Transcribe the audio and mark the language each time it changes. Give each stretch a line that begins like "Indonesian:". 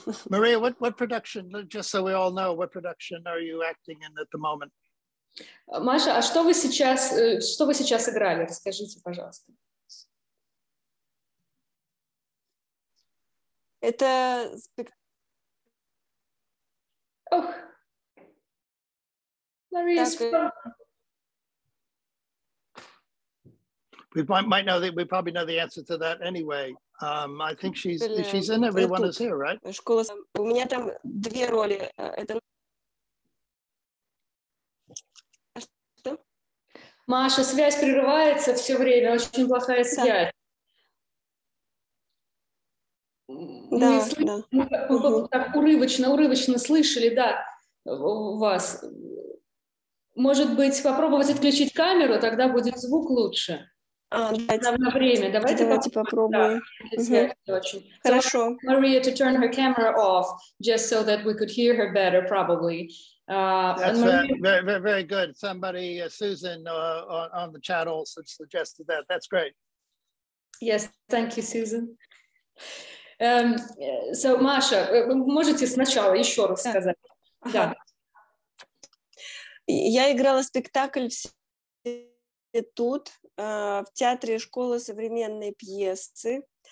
English: Maria, what production, just so we all know, what production are you acting in at the moment?
Russian: Маша, а что вы сейчас играли? Расскажите, пожалуйста. Это Ох. Мария.
English: We might know that we probably know the answer to that anyway. I think she's in Everyone Is Here, right?
Russian: Школа. У меня там две роли. Это Маша, связь прерывается все время, очень плохая связь. Да, да. Мы урывочно слышали, да, вас. Может быть, попробовать отключить камеру, тогда будет звук лучше. Давайте попробуем. Да. Угу. Хорошо.
English: So, Maria, to turn her camera off, just so that we could hear her better, probably. Very, very good. Somebody, Susan, on the chat also suggested that. That's great. Yes, thank you, Susan. So,
Russian: Маша, вы можете сначала еще раз сказать? Да. Я играла спектакль в театре школы современной пьесы.